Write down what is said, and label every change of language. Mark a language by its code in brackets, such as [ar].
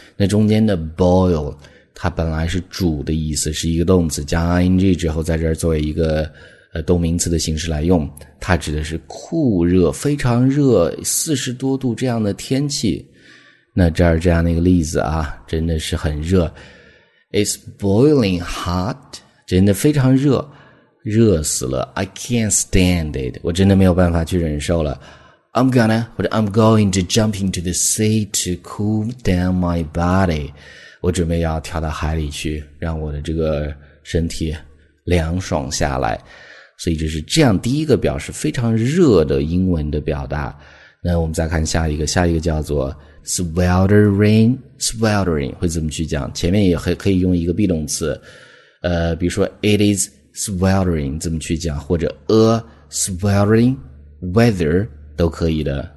[zh] 那中间的 boil 它本来是煮的意思，是一个动词加 ing 之后在这儿作为一个动名词的形式来用，它指的是酷热，非常热，40多度这样的天气。那这儿这样的一个例子啊，真的是很热， [en] It's boiling hot, [zh] 真的非常热，热死了。 [en] I can't stand it, [zh] 我真的没有办法去忍受了。 [en] I'm going to jump into the sea to cool down my body, [zh] 我准备要跳到海里去让我的这个身体凉爽下来。所以这是这样第一个表示非常热的英文的表达。那我们再看下一个，下一个叫做 sweltering, sweltering 会怎么去讲，前面也可以用一个 be 动词，比如说 [en] it is sweltering [zh] 怎么去讲，或者 [en] a sweltering weather [zh] 都可以的。